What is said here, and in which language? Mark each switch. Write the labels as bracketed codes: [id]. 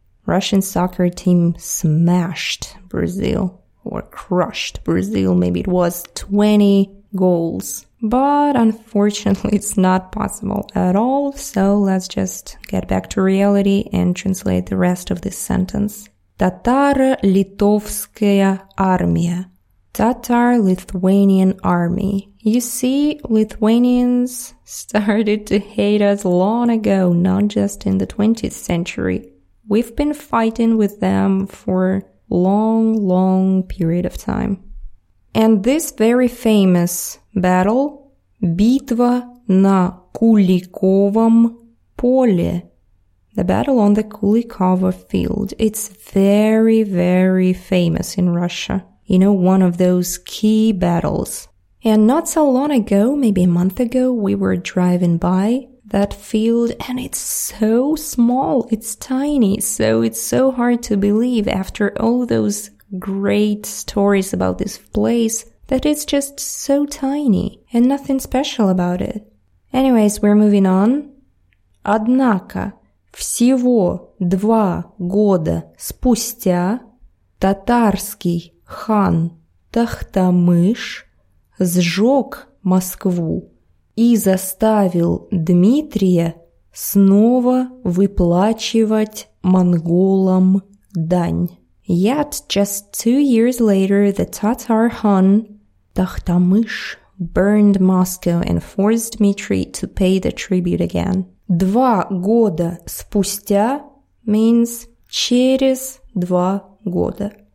[en] Russian soccer team smashed Brazil or crushed Brazil. Maybe it was 20 goals. But unfortunately, it's not possible at all. So let's just get back to reality and translate the rest of this sentence. [ru] Татаро-литовская армия. [en] Tatar-Lithuanian army. You see, Lithuanians started to hate us long ago, not just in the 20th century. We've been fighting with them for a long, long period of time. And this very famous battle, [ru] Битва на Куликовом поле, [en] the battle on the Куликово field, it's very, very famous in Russia. You know, one of those key battles. And not so long ago, maybe a month ago, we were driving by that field and it's so small, it's tiny, so it's so hard to believe after all those great stories about this place that it's just so tiny and nothing special about it. Anyways, we're moving on. [ru] Однако, всего 2 года спустя татарский хан Тахтамыш сжег Москву и заставил Дмитрия снова выплачивать монголам дань. [en] Yet, just 2 years later, the Tatar Khan Тахтамыш burned Moscow and forced Dmitry to pay the tribute again. [ru] 2 года спустя [en] means [ru] через 2 года.